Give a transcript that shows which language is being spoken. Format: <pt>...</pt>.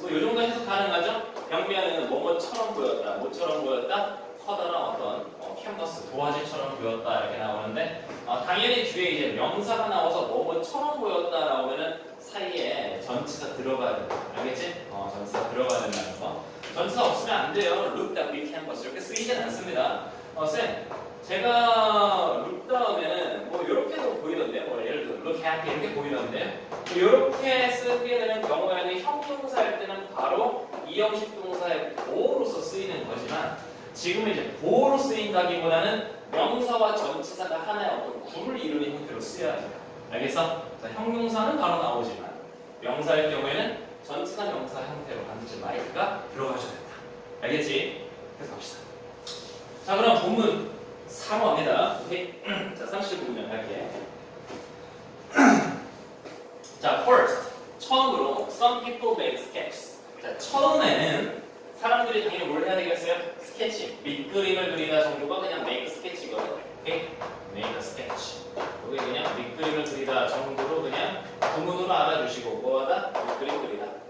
<ko>뭐 요 정도 해석 가능하죠? 벽면은 뭐처럼 보였다. 뭐처럼 보였다. 커다란 어떤 캔버스, 도화지처럼 보였다. 이렇게 나오는데 당연히 뒤에 이제 명사가 나와서 뭐처럼 보였다 나오면은 사이에 전치사 들어가야 된다. 알겠지? 전치사 들어가야 된다는 거. 전서 없으면 안 돼요.</ko> <en>look that we canvas</en> <ko>이렇게 쓰이진 않습니다. 어, 쌤, 제가 look 다음에는 뭐 이렇게도 보이던데, 뭐 예를 들어</ko> <en>look happy</en> <ko>이렇게 보이던데, 이렇게 쓰게 되는 경우에는 형용사일 때는 바로 이형식 동사의 보로서 쓰이는 거지만, 지금은 이제 보로 쓰인다기보다는 명사와 전치사가 하나의 어떤 구를 이루는 형태로 쓰여야 돼요. 알겠어? 자, 형용사는 바로 나오지만 명사일 경우에는 전치사 명사 형태로 반드시 like가 들어가셔야 된다. 알겠지? 계속 합시다. 자, 그럼 본문 3화입니다. 오케이? 자, 35분 갈게.</ko> <en>자, first,</en> <ko>처음으로</ko> <en>some people make sketches.</en> <ko>자, 처음에는 사람들이 당연히 뭘 해야 되겠어요? 스케치, 밑그림을 그리다 정도가 그냥</ko> <en>make sketch</en> <ko>이거든요.</ko> <en>오케이? make a sketch.</en> <ko>여기 그냥 밑그림을 그리다 정도로 그냥 구문으로 알아주시고 뭐하다? 밑그림 그리다.</ko>